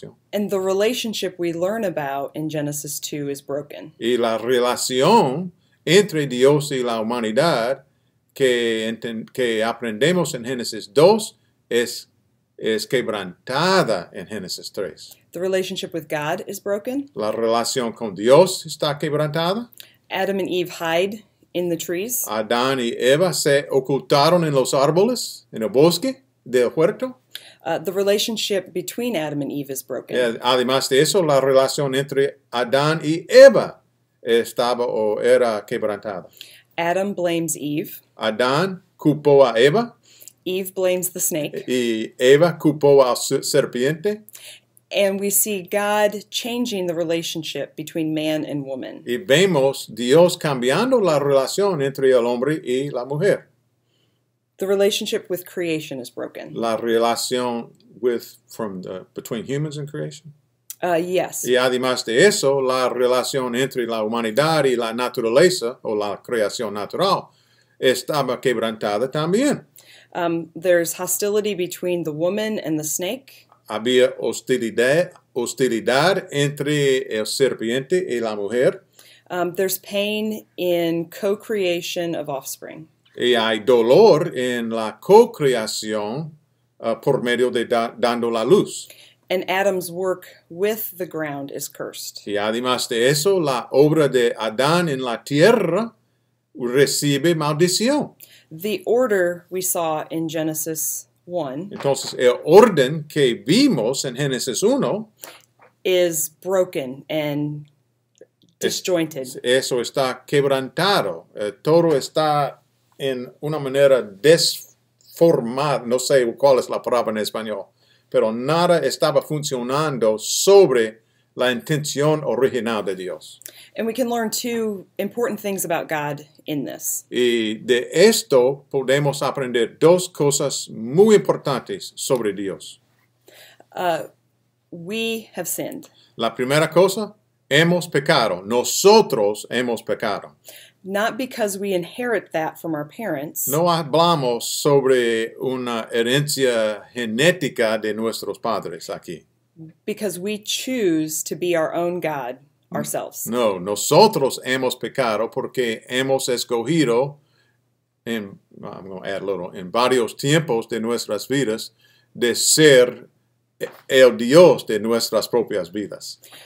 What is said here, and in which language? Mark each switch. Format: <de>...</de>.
<en>And the relationship we learn about in Genesis 2 is broken.</en> <es>Y la relación entre Dios y la humanidad que aprendemos en Génesis 2 es quebrantada en Génesis 3.</es> <en>The relationship with God is broken.</en> <es>La relación con Dios está quebrantada.</es> <en>Adam and Eve hide in the trees.</en> <es>Adán y Eva se ocultaron en los árboles, en el bosque del huerto.</es> <en>The relationship between Adam and Eve is broken.</en> <es>Además de eso, la relación entre Adán y Eva estaba o era quebrantada.</es> <en>Adam blames Eve.</en> <es>Adán culpó a Eva.</es> <en>Eve blames the snake.</en> <es>Y Eva culpó al serpiente.</es> <en>And we see God changing the relationship between man and woman.</en> <es>Y vemos Dios cambiando la relación entre el hombre y la mujer.</es> <en>The relationship with creation is broken.</en> <es>La relación</es> <en>between humans and creation? Yes.</en> <es>Y además de eso, la relación entre la humanidad y la naturaleza, o la creación natural, estaba quebrantada también.</es> <en>There's hostility between the woman and the snake.</en> <es>Había hostilidad entre el serpiente y la mujer.</es> <en>There's pain in co-creation of offspring.</en> <es>Y hay dolor en la co-creación por medio de dando la luz.</es> <en>And Adam's work with the ground is cursed.</en> <es>Y además de eso, la obra de Adán en la tierra recibe maldición.</es> <en>The order we saw in Genesis 1.</en> <es>Entonces, el orden que vimos en Génesis 1</es> <en>is broken and disjointed.</en> <es>Eso está quebrantado. Todo está en una manera desformada. No sé cuál es la palabra en español. Pero nada estaba funcionando sobre la intención original de Dios.</es> <en>And we can learn two important things about God in this.</en> <es>Y de esto podemos aprender dos cosas muy importantes sobre Dios.</es> <en>We have sinned.</en> <es>La primera cosa, hemos pecado. Nosotros hemos pecado.</es> <en>Not because we inherit that from our parents.</en> <es>No hablamos sobre una herencia genética de nuestros padres aquí.</es> <en>Because we choose to be our own God ourselves.</en> <es>No, nosotros hemos pecado porque hemos escogido en,</es> <en>I'm going to add a little,</en> <es>en varios tiempos de nuestras vidas de ser el Dios de nuestras propias vidas.</es>